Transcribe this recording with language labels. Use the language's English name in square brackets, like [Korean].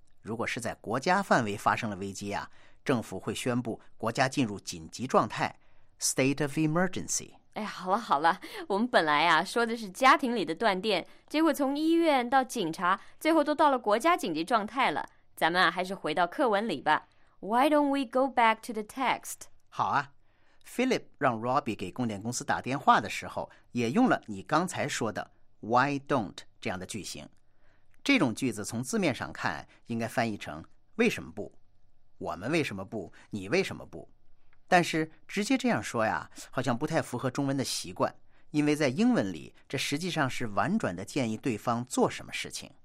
[Chinese] 如果是在国家范围发生了危机啊，政府会宣布国家进入紧急状态 ，state of emergency。哎，好了好了，我们本来啊说的是家庭里的断电，结果从医院到警察，最后都到了国家紧急状态了。咱们啊还是回到课文里吧。 [English] Why don't we go back to the text？ [Chinese] 好啊 Philip 让 Robbie 给供电公司打电话的时候也用了你刚才说的 why don't 这样的句型。这种句子从字面上看应该翻译成为什么不，我们为什么不，你为什么不。但是直接这样说呀，好像不太符合中文的习惯，因为在英文里这实际上是婉转的建议对方做什么事情。